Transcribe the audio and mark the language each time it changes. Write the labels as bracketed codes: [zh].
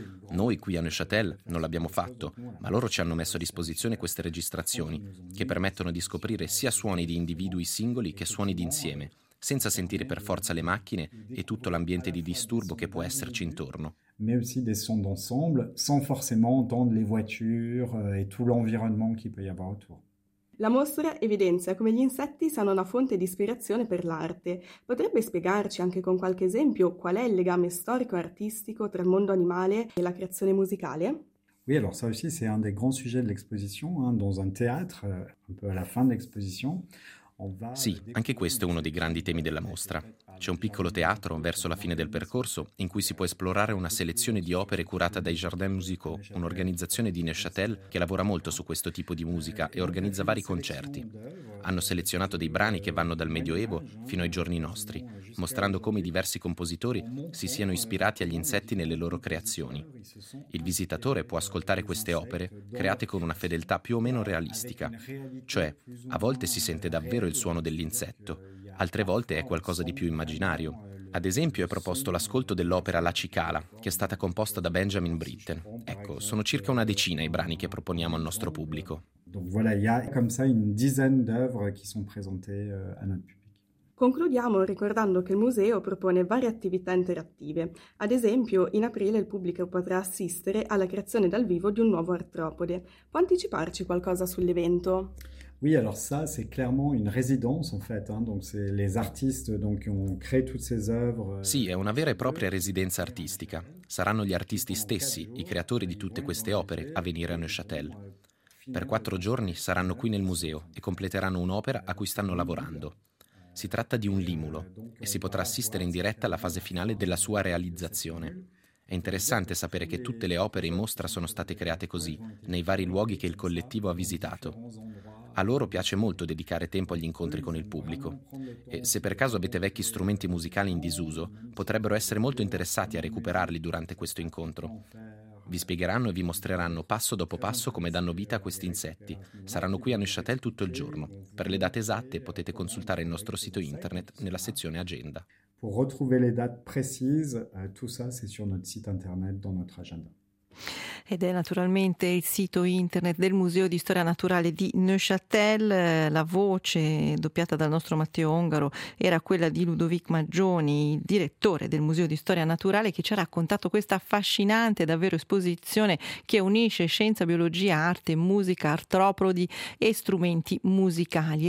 [it] Noi qui a Neuchâtel non l'abbiamo fatto, ma loro ci hanno messo a disposizione queste registrazioni, che permettono di scoprire sia suoni di individui singoli che suoni d'insieme, senza sentire per forza le macchine e tutto l'ambiente di disturbo che può esserci intorno. [fr] Mais aussi des sons d'ensemble, sans forcément entendre les voitures et tout l'environnement qu'il peut y avoir autour. [it] La mostra evidenzia come gli insetti siano una fonte di ispirazione per l'arte. Potrebbe spiegarci anche con qualche esempio qual è il legame storico-artistico tra il mondo animale e la creazione musicale? [fr] Oui, alors ça aussi c'est un des grands sujets de l'exposition, hein, dans un théâtre, un peu à la fin de l'exposition. [it] Sì, anche questo è uno dei grandi temi della mostra. C'è un piccolo teatro, verso la fine del percorso, in cui si può esplorare una selezione di opere curata dai Jardins Musicaux, un'organizzazione di Neuchâtel che lavora molto su questo tipo di musica e organizza vari concerti. Hanno selezionato dei brani che vanno dal Medioevo fino ai giorni nostri, mostrando come i diversi compositori si siano ispirati agli insetti nelle loro creazioni. Il visitatore può ascoltare queste opere create con una fedeltà più o meno realistica. Cioè, a volte si sente davvero il suono dell'insetto, altre volte è qualcosa di più immaginario. Ad esempio è proposto l'ascolto dell'opera La Cicala, che è stata composta da Benjamin Britten. Ecco, sono circa una decina i brani che proponiamo al nostro pubblico. [fr] Donc voilà, il y a comme ça une dizaine d'œuvres qui sont présentées à notre public. [it] Concludiamo ricordando che il museo propone varie attività interattive. Ad esempio, in aprile il pubblico potrà assistere alla creazione dal vivo di un nuovo artropode. Può anticiparci qualcosa sull'evento? [fr] Oui, alors ça c'est clairement une résidence en fait, hein. Donc c'est les artistes donc qui ont créé toutes ces œuvres. [it] Sì, è una vera e propria residenza artistica. Saranno gli artisti stessi, i creatori di tutte queste opere, a venire a Neuchâtel. Per 4 giorni saranno qui nel museo e completeranno un'opera a cui stanno lavorando. Si tratta di un limulo e si potrà assistere in diretta alla fase finale della sua realizzazione. È interessante sapere che tutte le opere in mostra sono state create così, nei vari luoghi che il collettivo ha visitato. A loro piace molto dedicare tempo agli incontri con il pubblico. E se per caso avete vecchi strumenti musicali in disuso, potrebbero essere molto interessati a recuperarli durante questo incontro. Vi spiegheranno e vi mostreranno passo dopo passo come danno vita a questi insetti. Saranno qui a Neuchâtel tutto il giorno. Per le date esatte potete consultare il nostro sito internet nella sezione Agenda. [fr] Pour retrouver les dates précises, tout ça c'est sur notre site internet, dans notre agenda. [it] Ed è naturalmente il sito internet del Museo di Storia Naturale di Neuchâtel. La voce doppiata dal nostro Matteo Ongaro era quella di Ludovic Maggioni, direttore del Museo di Storia Naturale, che ci ha raccontato questa affascinante davvero esposizione che unisce scienza, biologia, arte, musica, artropodi e strumenti musicali.